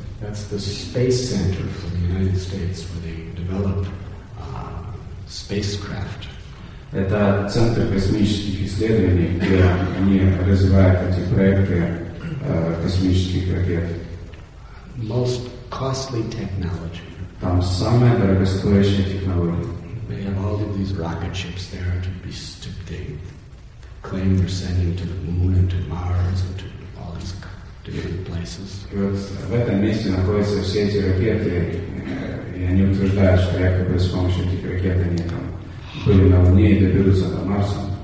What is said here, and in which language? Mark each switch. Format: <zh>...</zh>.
<en>That's the space center for the United States, where they develop spacecraft.</en> <ru>Это центр космических исследований, где они развивают эти проекты космических ракет.</ru> <en>Most costly technology.</en> <ru>Там самая дорогостоящая технология.</ru> <en>They have all of these rocket ships there to be stupid. Claim they're sending to the moon and to Mars and to all these different places.</en> <ru>В этом месте находятся все эти ракеты, и они утверждают, что якобы с помощью этих ракет они там были на Луне и доберутся до Марса.</ru>